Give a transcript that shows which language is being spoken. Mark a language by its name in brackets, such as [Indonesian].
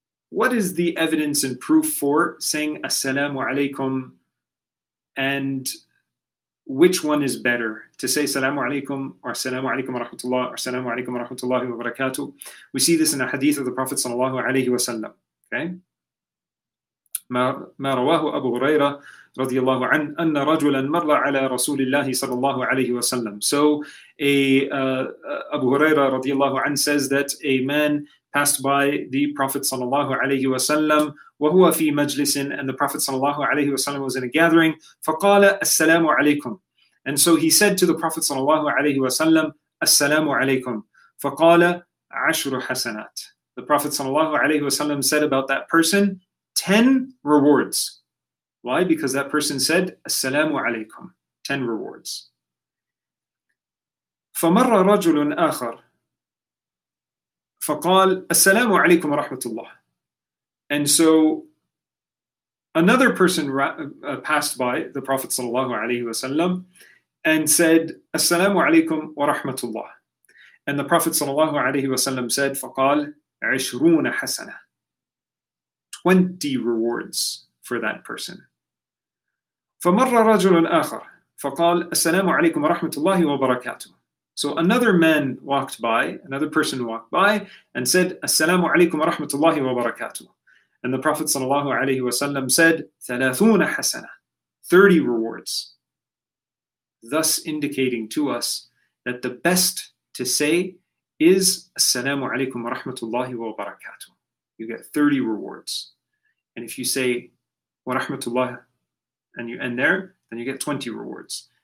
[English] What is the evidence and proof for saying assalamu alaykum, and which one is better, to say assalamu alaykum or assalamu alaykum wa rahmatullah or assalamu alaykum wa rahmatullahi wa barakatuh? We see this in a hadith of the Prophet sallallahu alayhi wa sallam. Okay? [Arabic] ما رواه أبو هريرة رضي الله عنه أن رجلا مر على رسول الله صلى الله عليه وسلم. [English] So Abu Huraira رضي الله عنه says that a man passed by the Prophet صلى الله عليه وسلم [Arabic] وهو في مجلس, [English] and the Prophet صلى الله عليه وسلم was in a gathering. [Arabic] فقال السلام عليكم, [English] and so he said to the Prophet [Arabic] صلى الله عليه وسلم السلام عليكم. فقال عشر حسنات. [English] The Prophet صلى الله عليه وسلم said about that person 10 rewards. Why? Because that person said assalamu alaykum, 10 rewards. [Arabic] فَمَرَّ رَجُلٌ آخَرُ فَقَالَ السَّلَامُ عَلَيْكُمْ وَرَحْمَةُ اللَّهِ. [English] And so another person passed by the Prophet sallallahu alayhi wasallam and said assalamu alaykum وَرَحْمَةُ اللَّهِ, and the Prophet sallallahu alayhi wasallam said [Arabic] فَقَالَ عِشْرُونَ حَسَنَةً, [English] 20 rewards for that person. [Arabic] فَمَرَّ رَجُلٌ آخَرٌ فَقَالَ السَّلَامُ عَلَيْكُمْ وَرَحْمَةُ اللَّهِ وَبَرَكَاتُهُ. [English] So another man walked by, another person walked by, and said, [Arabic] السَّلَامُ عَلَيْكُمْ وَرَحْمَةُ اللَّهِ وَبَرَكَاتُهُ. [English] And the Prophet صلى الله عليه وسلم said, [Arabic] ثَلَاثُونَ حَسَنَةً, [English] 30 rewards. Thus indicating to us that the best to say is, [Arabic] السَّلَامُ عَلَيْكُمْ وَرَحْمَةُ اللَّهِ وَبَرَكَاتُهُ. [English] You get 30 rewards. And if you say wa rahmatullah and you end there, then you get 20 rewards.